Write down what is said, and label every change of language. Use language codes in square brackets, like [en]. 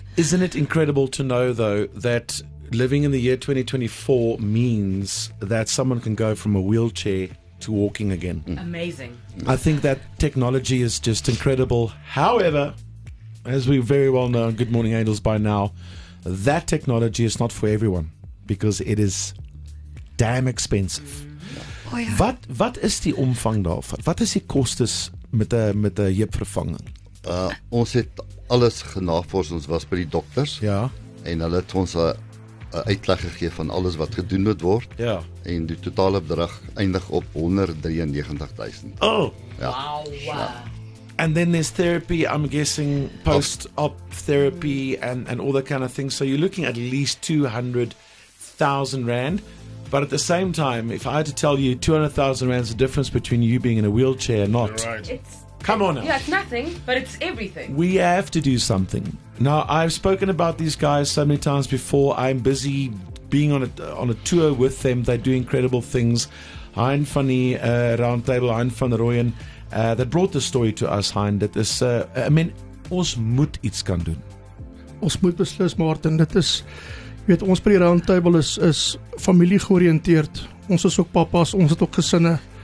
[en] Isn't it incredible to know though that living in the year 2024 means that someone can go from a wheelchair to walking again? Amazing. I think that technology is just incredible. However, as we very well know, Good Morning Angels by now, that technology is not for everyone because it is damn expensive. Oh ja. [af] Wat is die omvang daarvan? Wat is die kostes met 'n heupvervanging? Ons het alles genavors, ons was by die dokters. Ja. En hulle het ons 'n uitleg gegee van alles wat gedoen moet word. Ja. En die totale bedrag eindig op 193,000. Oh. Ja. Wow. Ja. [en] And then there's therapy, I'm guessing post-op therapy and all that kind of thing. So you're looking at least 200,000 rand. But at the same time, if I had to tell you 200,000 rand is the difference between you being in a wheelchair or not. Come on now. Yeah, it's nothing, but it's everything. We have to do something. Now, I've spoken about these guys so many times before. I'm busy being on a tour with them. They do incredible things. Hein van die Roundtable, Hein van Rooyen, that brought the story to us, Hein. That this, I mean, [af] ons moet iets kan doen. Ons moet beslis, Martin. Dit is, jy weet, ons by die Roundtable is familie georiënteerd. Ons is ook papas, ons het ook gesinne.